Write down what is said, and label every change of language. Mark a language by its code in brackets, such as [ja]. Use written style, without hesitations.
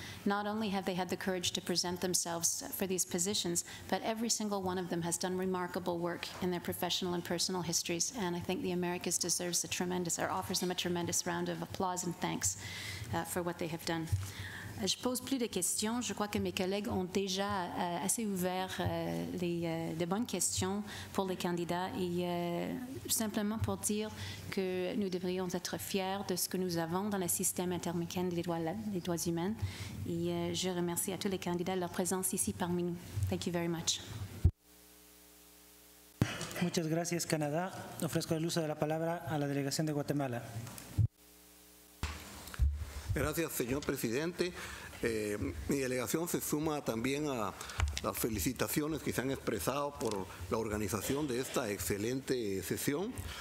[en] Not only have they had the courage to present themselves for these positions, but every single one of them has done remarkable work in their professional and personal histories, and I think the Americas deserves a tremendous, or offers them a tremendous round of applause and thanks for what they have done. [fr] Je pose plus de questions. Je crois que mes collègues ont déjà assez ouvert de bonnes questions pour les candidats et simplement pour dire que nous devrions être fiers de ce que nous avons dans le système interaméricain des droits humains. Et je remercie à tous les candidats de leur présence ici parmi nous. [en] Thank you very much. [es] Muchas gracias, Canadá. Ofrezco el uso de la palabra a la delegación de Guatemala. Gracias, señor presidente. Mi delegación se suma también a las felicitaciones que se han expresado por la organización de esta excelente sesión.